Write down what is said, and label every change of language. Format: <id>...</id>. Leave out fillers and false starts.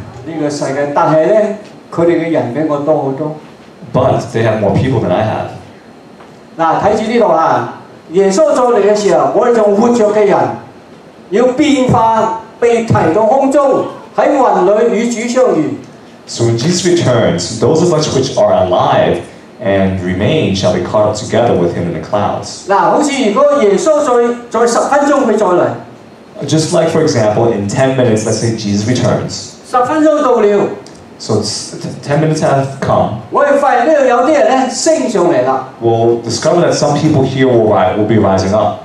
<zh>这个世界大海呢, 他们的人比我多很多.</zh> <en>But they have more people than I have.</en> <zh>看着这里啊, 耶稣做你的事啊, 我们活着的人, 要变化被提到空中, 在云里与主相遇。</zh> <en>So when Jesus returns, those of us which are alive and remain shall be caught up together with him in the clouds.</en> <zh>好像如果耶稣再十分钟会再来,</zh> <en>just like, for example, in 10 minutes, let's say Jesus returns.</en> <zh>十分钟到了,</zh> <en>so it's 10 minutes have come.</en> <zh>我会发现有些人升上来了,</zh> <en>we'll discover that some people here will be rising up.</en>